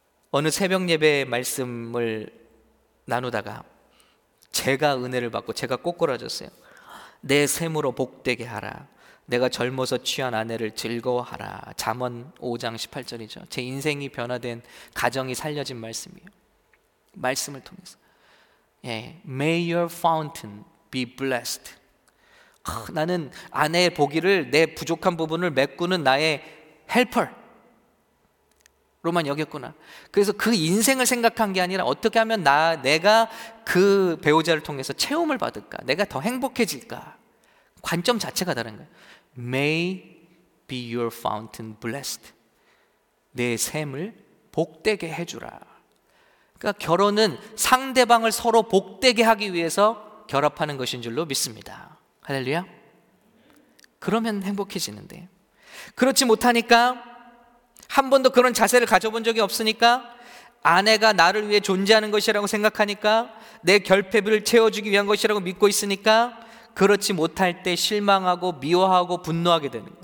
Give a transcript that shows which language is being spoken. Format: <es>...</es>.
<ko>어느 새벽 예배 말씀을 나누다가 제가 은혜를 받고 제가 꼬꾸라졌어요. 내 샘으로 복되게 하라. 내가 젊어서 취한 아내를 즐거워하라. 잠언 5장 18절이죠. 제 인생이 변화된, 가정이 살려진 말씀이에요. 말씀을 통해서.</ko> <en>예, May your fountain be blessed.</en> <ko>나는 아내의 보기를, 내 부족한 부분을 메꾸는 나의 helper 로만 여겼구나. 그래서 그 인생을 생각한 게 아니라 어떻게 하면 내가 그 배우자를 통해서 체험을 받을까, 내가 더 행복해질까. 관점 자체가 다른 거예요.</ko> <en>May be your fountain blessed.</en> <ko>내 샘을 복되게 해주라. 그러니까 결혼은 상대방을 서로 복되게 하기 위해서 결합하는 것인 줄로 믿습니다. 할렐루야. 그러면 행복해지는데, 그렇지 못하니까, 한 번도 그런 자세를 가져본 적이 없으니까, 아내가 나를 위해 존재하는 것이라고 생각하니까, 내 결핍을 채워주기 위한 것이라고 믿고 있으니까, 그렇지 못할 때 실망하고 미워하고 분노하게 되는 거예요.</ko>